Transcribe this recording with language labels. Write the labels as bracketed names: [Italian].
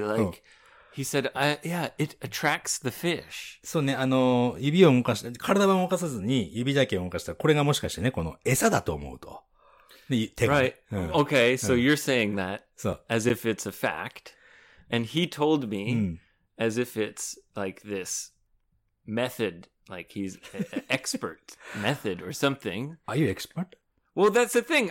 [English] Like, he said, yeah, it attracts the fish. [Japanese] そうね、指を動かして、体は動かさずに指だけ動かしたら、これがもしかしてね、この餌だと思うと。 [English] で、手が。 Right.、うん、okay, so you're saying that as if it's a fact. And he told me、うん、as if it's like this method, like he's an expert method or something. Are you expert? Well, that's the thing.